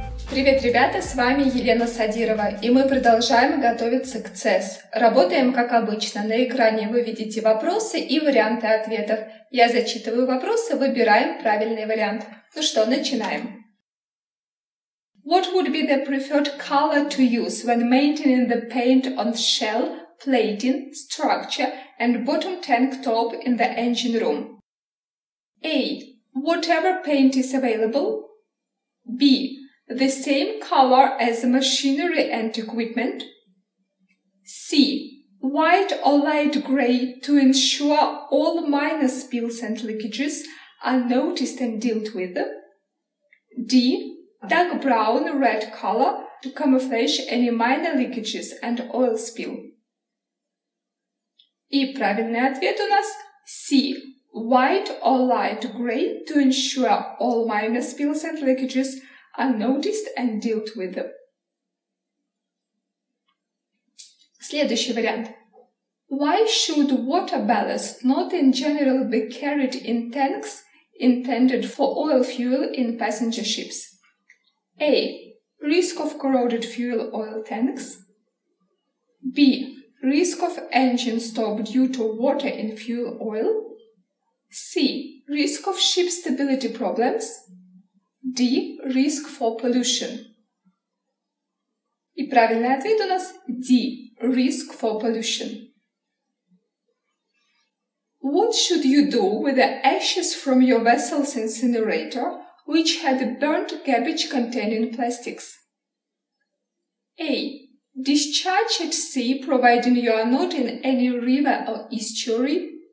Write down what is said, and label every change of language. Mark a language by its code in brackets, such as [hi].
[ru] Привет, ребята, с вами Елена Садирова, и мы продолжаем готовиться к CES. Работаем как обычно. На экране вы видите вопросы и варианты ответов. Я зачитываю вопросы, выбираем правильный вариант. Ну что, начинаем. [en] What would be the preferred color to use when maintaining the paint on shell, plating, structure and bottom tank top in the engine room? A. Whatever paint is available. B. The same color as machinery and equipment. C. White or light gray to ensure all minor spills and leakages are noticed and dealt with. D. Dark brown red color to camouflage any minor leakages and oil spill. [ru] И правильный ответ у нас C. [en] White or light gray to ensure all minor spills and leakages are noticed and dealt with. [ru] Следующий вариант. [en] Why should water ballast not in general be carried in tanks intended for oil fuel in passenger ships? A. Risk of corroded fuel oil tanks. B. Risk of engine stop due to water in fuel oil. C. Risk of ship stability problems. D. Risk for pollution. [ru] И правильный ответ у нас D. [en] Risk for pollution. What should you do with the ashes from your vessel's incinerator which had burnt garbage containing plastics? A. Discharge at sea providing you are not in any river or estuary.